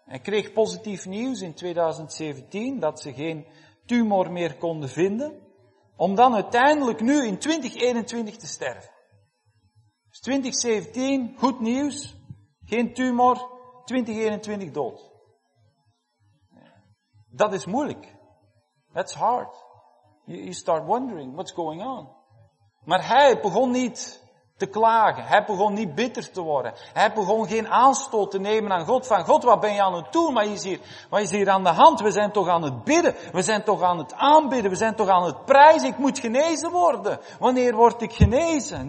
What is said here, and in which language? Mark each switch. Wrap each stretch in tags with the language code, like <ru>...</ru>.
<nl>Hij kreeg positief nieuws in 2017 dat ze geen tumor meer konden vinden, om dan uiteindelijk nu in 2021 te sterven. Dus 2017, goed nieuws, geen tumor, 2021 dood. Dat is moeilijk.</nl> <en>That's hard. You start wondering, what's going on?</en> <nl>Maar hij begon niet te klagen, hij begon niet bitter te worden, hij begon geen aanstoot te nemen aan God, van God, wat ben je aan het doen, wat is hier aan de hand, we zijn toch aan het bidden, we zijn toch aan het aanbidden, we zijn toch aan het prijzen, ik moet genezen worden, wanneer word ik genezen?</nl>